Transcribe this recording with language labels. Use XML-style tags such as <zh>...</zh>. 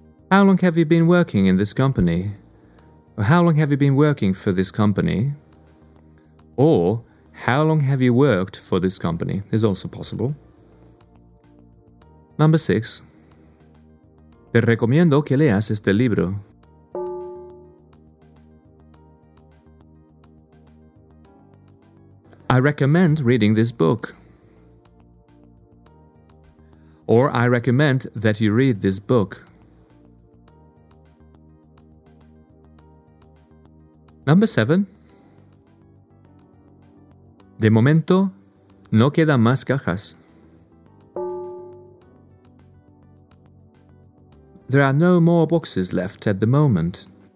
<en>How long have you been working in this company? Or how long have you been working for this company? Or how long have you worked for this company? Is also possible. Number six.</en> <es>Te recomiendo que leas este libro.</es> <en>I recommend reading this book. Or I recommend that you read this book. Number seven.</en> <es>De momento, no quedan más cajas.</es> <en>There are no more boxes left at the moment.</en>